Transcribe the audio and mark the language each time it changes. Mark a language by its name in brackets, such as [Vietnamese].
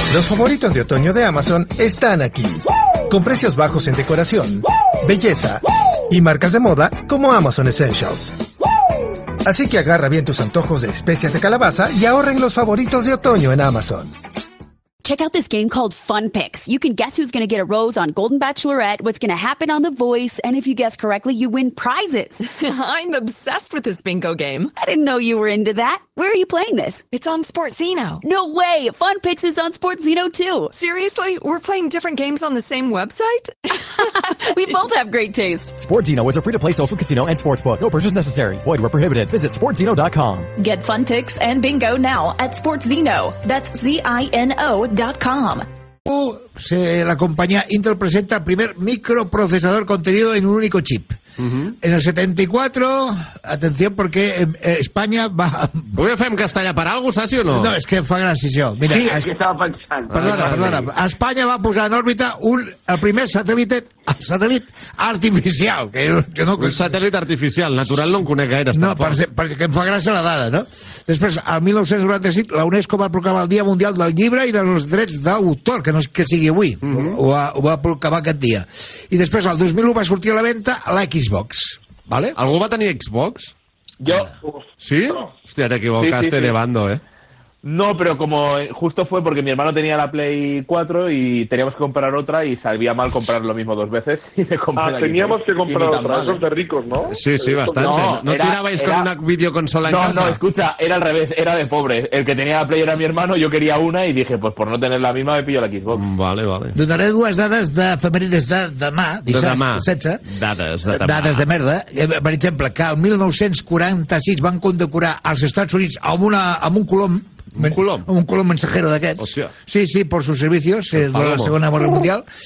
[Spanish] Los favoritos de otoño de Amazon están aquí. Con precios bajos en decoración, belleza y marcas de moda como Amazon Essentials. Así que agarra bien tus antojos de especias de calabaza y ahorren los favoritos de otoño en Amazon. [English] Check out this game called Fun Picks. You can guess who's going to get a rose on Golden Bachelorette, what's going to happen on The Voice, and if you guess correctly, you win prizes. I'm obsessed with this bingo game. I didn't know you were into that. Where are you playing this? It's on Sportzeno. No way! Fun Picks is on Sportzeno, too. Seriously? We're playing different games on the same website? We both have great taste. Sportzeno is a free-to-play social casino and sportsbook. No purchase necessary. Void where prohibited. Visit sportzeno.com. Get Fun Picks and bingo now at Sportzeno. That's Zino.com. [Spanish] La compañía Intel presenta el primer microprocesador contenido en un único chip. Uh-huh. En el 74, atención, porque España va... ¿Voy a hacer en [Catalan] castellà per algú, saps, o no? No, és que fa gràcia, això. Mira, sí, és que estava pensant. Perdona. A Espanya va posar en òrbita el primer satèl·lit artificial. Un satèl·lit artificial, natural, no en conec gaire. No, perquè em fa gràcia la dada, no? Després, el 1995, la UNESCO va proclamar el Dia Mundial del Llibre i dels Drets d'Autor, que no és que sigui avui. Uh-huh. Ho va proclamar aquest dia. I després, el 2001 va sortir a la venda la Xbox, ¿vale? ¿Algú va tenir Xbox? Jo. [Spanish] ¿Sí? No. Hostia, te equivocaste sí. de bando, ¿eh? No, pero como justo fue porque mi hermano tenía la Play 4 y teníamos que comprar otra y salía mal comprar lo mismo dos veces. Y de comprar teníamos que comprar otra, eso es de ricos, ¿no? Sí, sí, bastante. ¿No tirabais con una videoconsola en no, casa? No, escucha, era al revés, era de pobre. El que tenía la Play era mi hermano, yo quería una y dije, pues por no tener la misma me pillo la Xbox. Vale. [Catalan] Donaré dues dades de efemèrides de demà, dissabte. Dades de merda. Per exemple, que el 1946 van condecorar als Estats Units amb un colom. Un colom mensajero d'aquests. Hòstia. Sí, per [Spanish] sus servicios [Catalan] de la Segona Guerra Mundial.